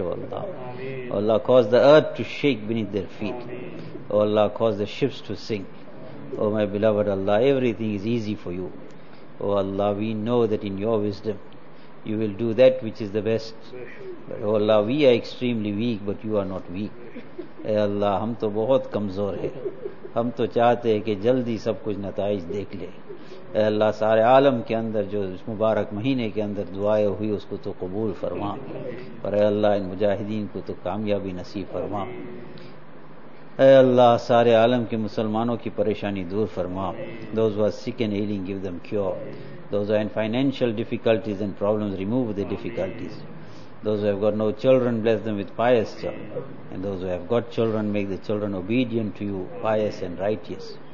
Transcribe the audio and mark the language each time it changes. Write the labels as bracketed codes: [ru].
[en] اے اللہ, اے Allah cause the earth to shake beneath their feet. اے Allah cause the ships to sink. O my beloved Allah, everything is easy for you. O Allah, we know that in your wisdom you will do that which is the best. O Allah, we are extremely weak but you are not weak. [ur] اے اللہ, ہم تو بہت کمزور ہیں, ہم تو چاہتے ہیں کہ جلدی سب کچھ نتائج دیکھ لے. اے اللہ, سارے عالم کے اندر جو اس مبارک مہینے کے اندر دعائیں ہوئی اس کو تو قبول فرما, اور اے اللہ ان مجاہدین کو تو کامیابی نصیب فرما. اے اللہ, سارے عالم کے مسلمانوں کی پریشانی دور فرما. [en] Those who are sick and ailing, give them cure. Those who are in financial difficulties and problems, remove the difficulties. Those who have got no children, bless them with pious children. And those who have got children, make the children obedient to you, pious and righteous.